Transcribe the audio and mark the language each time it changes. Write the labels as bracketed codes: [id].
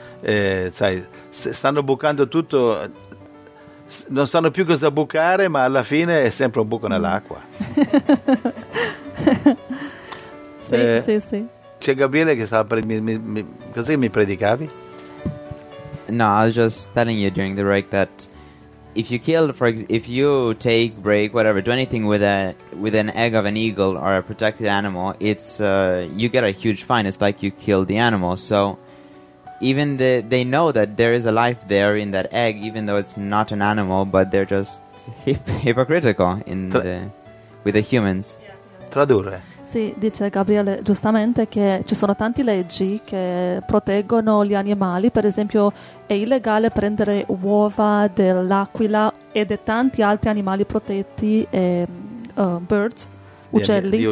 [it] sì. Sai, stanno bucando tutto, non sanno più cosa bucare, ma alla fine è sempre un buco nell'acqua. Sì. C'è Gabriele che stava per... Cos'è che mi predicavi? [en] No, I was just telling you during the break that if you kill, if you take, break, whatever, do anything with an egg of an eagle or a protected animal, it's you get a huge fine. It's like you killed the animal. So even they know that there is a life there in that egg, even though it's not an animal, but they're just hypocritical with the humans. [it] Tradurre. Sì, dice Gabriele giustamente che ci sono tante leggi che proteggono gli animali. Per esempio, è illegale prendere uova dell'aquila e di tanti altri animali protetti, birds, uccelli.